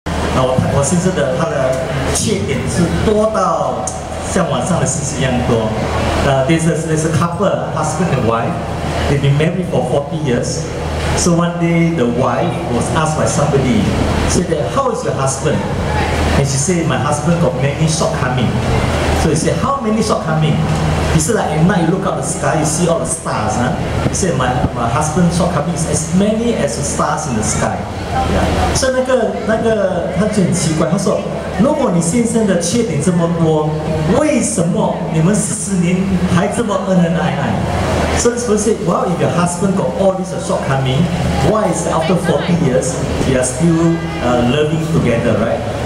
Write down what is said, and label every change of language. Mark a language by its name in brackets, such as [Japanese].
[Chinese] 那我先生的他的缺点是多到像晚上的事情一样多。 [English] This is a couple, husband and wife. They've been married for 40 years. So one day the wife was asked by somebody, said that, how is your husband? And she said, my husband got many shortcomings. So he said, how many shortcomings? He said, like at night you look up the sky, you see all the stars. Huh? He said, my husband's shortcomings is as many as the stars in the sky. Yeah. [Chinese] 所以那个他就很奇怪，他说，如果你先生的缺点这么多，为什么你们40年还这么恩恩爱爱？ [English] So this person said, well, if your husband got all these shortcomings, why is after 40 years, you are still living together, right?